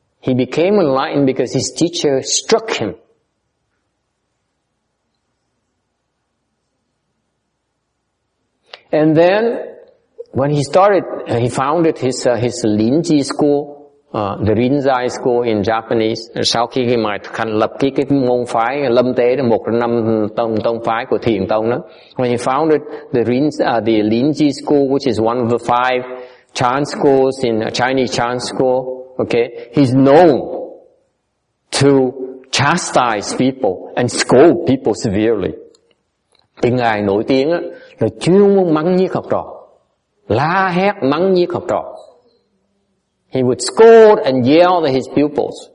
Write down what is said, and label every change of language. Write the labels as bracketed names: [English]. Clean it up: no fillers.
[English] He became enlightened because his teacher struck him. And then, when he started, he founded his Linji school, the Rinzai school in Japanese. [Vietnamese] Sau khi mà thành lập cái môn phái Lâm Tế, một năm tông phái của Thiền Tông đó. [English] When he founded the Linji school, which is one of the five Chan schools in Chinese Chan school, okay, he's known to chastise people and scold people severely. [Vietnamese] Thì ngài nổi tiếng á, là chuyên môn mắng nhiếc học trò, la hét mắng nhiếc học trò. [English] He would scold and yell at his pupils.